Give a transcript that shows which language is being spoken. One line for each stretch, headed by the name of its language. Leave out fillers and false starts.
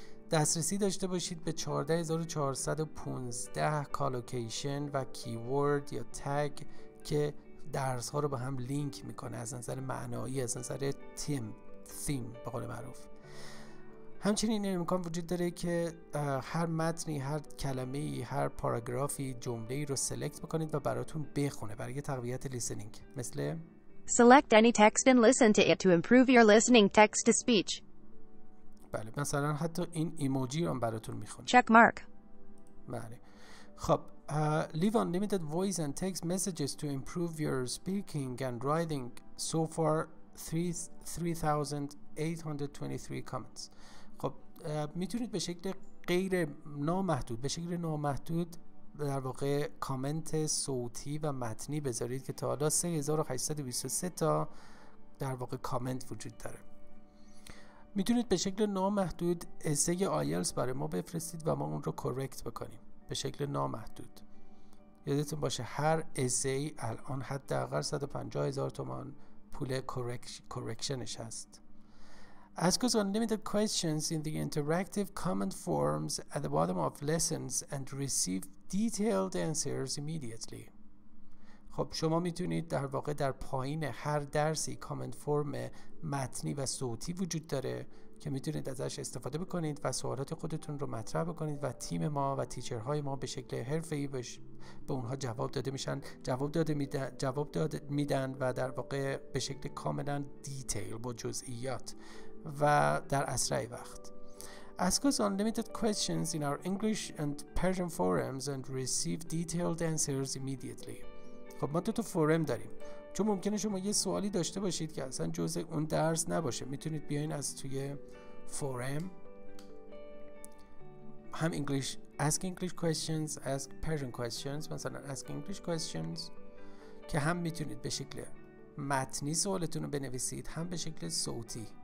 Persian: دسترسی داشته باشید به 14415 کالوکیشن و کیورد یا تگ که درس ها رو به هم لینک میکنه از نظر معنایی، از نظر تیم به قول معروف. همچنین این امکان وجود داره که هر متنی، هر کلمه‌ای، هر پاراگرافی، جمله‌ای رو سلکت بکنید و براتون بخونه برای تقویت لیسنینگ. مثل
English: Select any text and listen to it to improve your listening text to speech.
Persian: بله، مثلا حتی این ایموجی رو هم براتون میخونه.
English: Check mark.
Persian: بله.
English: خب leave unlimited voice and text messages to improve your speaking and writing. So far 3823 comments.
Persian: خب میتونید به شکل غیر نامحدود، به شکل نامحدود در واقع کامنت صوتی و متنی بذارید که تا حالا 3823 تا در واقع کامنت وجود داره. میتونید به شکل نامحدود اسه آیلز برای ما بفرستید و ما اون رو کرکت بکنیم به شکل نامحدود. یادتون باشه هر اسه الان حداقل 150,000 تومان پول کرکشنش هست.
English: Ask us unlimited questions in the interactive comment forms at the bottom of lessons and receive detailed answers immediately.
Persian: خب شما میتونید در واقع در پایین هر درسی کامنت فرم متنی و صوتی وجود داره که میتونید ازش استفاده بکنید و سوالات خودتون رو مطرح بکنید و تیم ما و تیچرهای ما به شکل حرفه‌ای به اونها جواب داده میشن، جواب داده میدن و در واقع به شکل کاملا دیتیل با جزئیات و در اسرع وقت.
English: Ask us unlimited questions in our English and Persian forums and receive detailed answers immediately.
Persian: خب ما تو فورم داریم. چون ممکنه شما یه سوالی داشته باشید که اصلا جزء اون درس نباشه. میتونید بیاین از توی فورم هم
English: English, ask English questions, ask Persian questions.
Persian: مثلا
English: ask English questions
Persian: که هم میتونید به شکل متنی سوالتون رو بنویسید هم به شکل صوتی.